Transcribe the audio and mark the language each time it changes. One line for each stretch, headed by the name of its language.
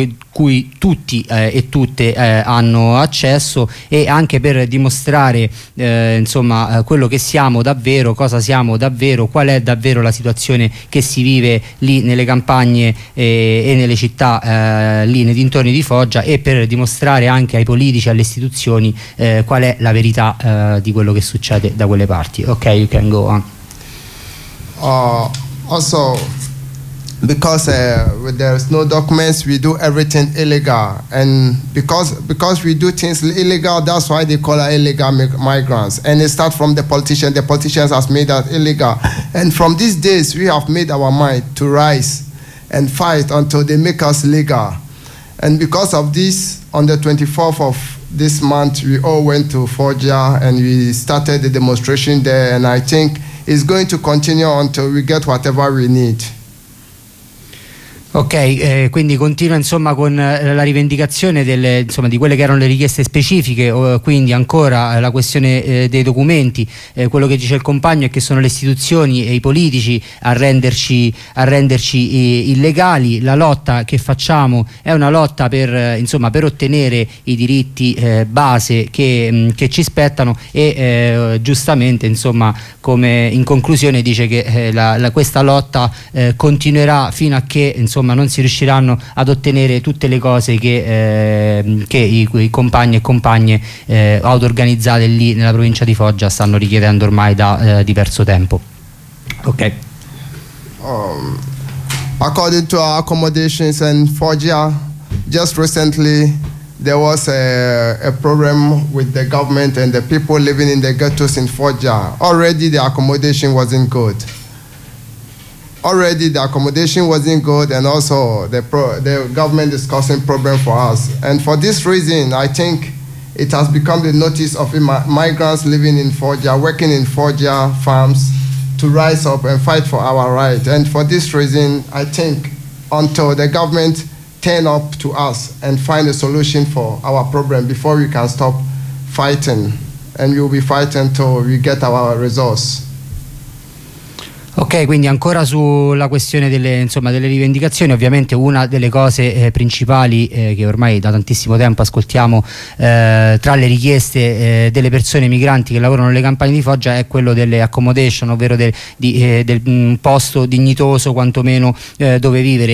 Italian: cui tutti e tutte hanno accesso, e anche per dimostrare insomma quello che siamo davvero, cosa siamo davvero, qual è davvero la situazione che si vive lì nelle campagne e nelle città lì nei dintorni di Foggia, e per dimostrare anche ai politici, alle istituzioni qual è la verità di quello che succede da quelle parti.
English: Ok, you can go on. Also, because there's no documents, we do everything illegal, and because we do things illegal, that's why they call us illegal migrants. And it starts from the politician. The politicians has made us illegal, and from these days we have made our mind to rise and fight until they make us legal. And because of this, on the 24th of this month, we all went to Foggia and we started the demonstration there, and I think it's going to continue until we get whatever we need.
Italian: Ok, quindi continua insomma con la rivendicazione delle, insomma, di quelle che erano le richieste specifiche, quindi ancora la questione dei documenti. Quello che dice il compagno è che sono le istituzioni e i politici a renderci illegali. La lotta che facciamo è una lotta per, insomma, per ottenere i diritti base che ci spettano, e giustamente, insomma, come in conclusione dice che questa lotta continuerà fino a che, insomma, ma non si riusciranno ad ottenere tutte le cose che i compagni e compagne auto-organizzate lì nella provincia di Foggia stanno richiedendo ormai da diverso tempo. Ok.
English: According to our accommodations in Foggia, just recently there was a problem with the government and the people living in the ghettos in Foggia. Already the accommodation wasn't good. Already the accommodation wasn't good, and also the government is causing problem for us. And for this reason, I think it has become the notice of migrants living in Foggia, working in Foggia farms, to rise up and fight for our right. And for this reason, I think until the government turn up to us and find a solution for our problem before we can stop fighting, and we'll be fighting until we get our results.
Italian: Ok, quindi ancora sulla questione delle, insomma, delle rivendicazioni. Ovviamente una delle cose principali che ormai da tantissimo tempo ascoltiamo tra le richieste delle persone migranti che lavorano nelle campagne di Foggia è quello delle accommodation, ovvero del posto dignitoso quantomeno dove vivere.